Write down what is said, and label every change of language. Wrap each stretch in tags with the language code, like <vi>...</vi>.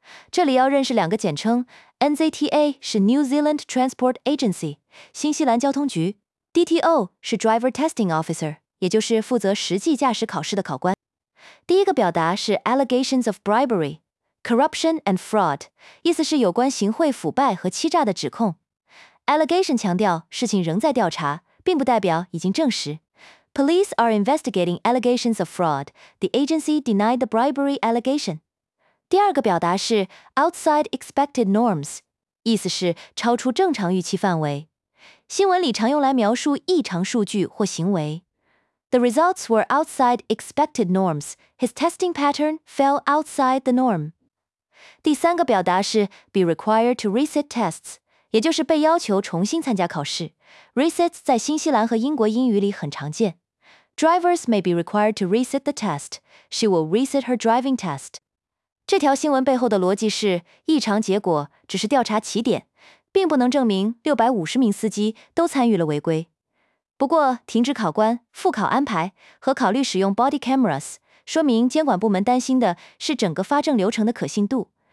<zh>这里要认识两个简称， NZTA 是 New Zealand Transport Agency， 新西兰交通局， DTO 是 Driver Testing Officer， 也就是负责实际驾驶考试的考官。第一个表达是</zh> <en>Allegations of Bribery， Corruption and Fraud，</en> <zh>意思是有关行贿、腐败和欺诈的指控。 Allegation 强调事情仍在调查，并不代表已经证实。</zh> <en>Police are investigating allegations of fraud. The agency denied the bribery allegation.</en> <zh>第二个表达是</zh> <en>outside expected norms，</en> <zh>意思是超出正常预期范围。新闻里常用来描述异常数据或行为。</zh> <en>The results were outside expected norms. His testing pattern fell outside the norm.</en> <zh>第三个表达是</zh> <en>be required to resit tests，</en> <zh>也就是被要求重新参加考试。 Resit 在新西兰和英国英语里很常见。</zh> <en>Drivers may be required to resit the test. She will resit her driving test.</en> <zh>这条新闻背后的逻辑是，异常结果只是调查起点，并不能证明650名司机都参与了违规。不过，停职考官、复考安排和考虑使用 body cameras， 说明监管部门担心的是整个发证流程的可信度。</zh>